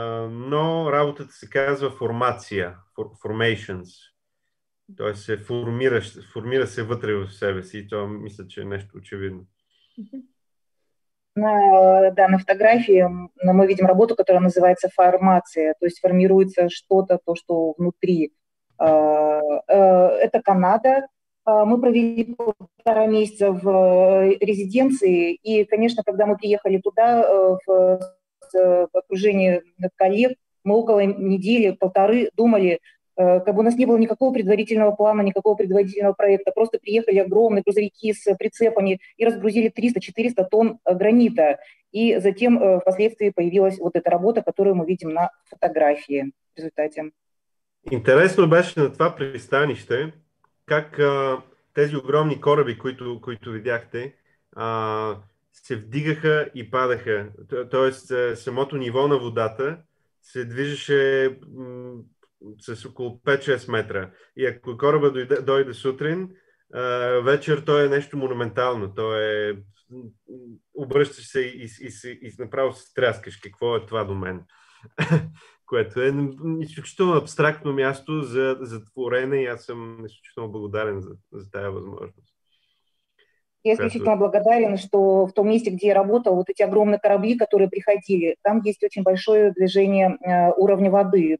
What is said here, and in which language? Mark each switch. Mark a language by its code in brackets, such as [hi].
[bg] Но работата се казва формация, formations. Т.е. се формира се вътре в себе си. Това мисля, че е нещо очевидно. [ru] На фотографии мы видим работу, которая называется формация, то есть формируется что-то, то, что внутри. Это Канада. Мы провели полтора месяца в резиденции, и, конечно, когда мы приехали туда, в окружении коллег, мы около недели, полторы думали, как бы у нас не было никакого предварительного плана, никакого предварительного проекта. Просто приехали огромные грузовики с прицепами и разгрузили 300-400 тонн гранита. И затем впоследствии появилась вот эта работа, которую мы видим на фотографии в результате. [bg] Интересно беше на това пристанище, как тези огромни кораби, които видяхте, се вдигаха и падаха. Тоест, самото ниво на водата се движеше с около 5-6 метра. И ако кораба дойде сутрин, вечер то е нещо монументално. То е... Обръщаш се и направо се тряскаш. Какво е това до мен? Което е изключително абстрактно място за творение и аз съм изключително благодарен за тая възможност. [ru] Я исключительно благодарен, что в том месте, где я работал, вот эти огромные корабли, которые приходили, там есть очень большое движение уровня воды.